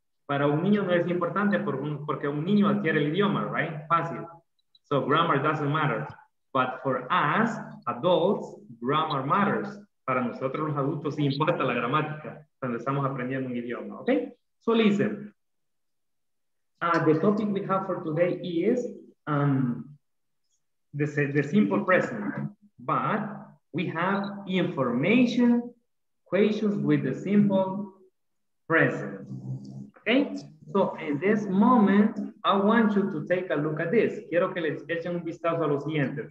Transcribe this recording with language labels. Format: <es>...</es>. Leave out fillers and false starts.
<es>Para un niño no es importante porque un niño adquiere el idioma, right? Fácil.</es> <en>So grammar doesn't matter. But for us, adults, grammar matters.</en> <es>Para nosotros los adultos sí importa la gramática cuando estamos aprendiendo un idioma, okay?</es> <en>So listen. The topic we have for today is the simple present, but we have information questions with the simple present, okay? So in this moment, I want you to take a look at this.</en> <es>Quiero que les echen un vistazo a lo siguiente.</es>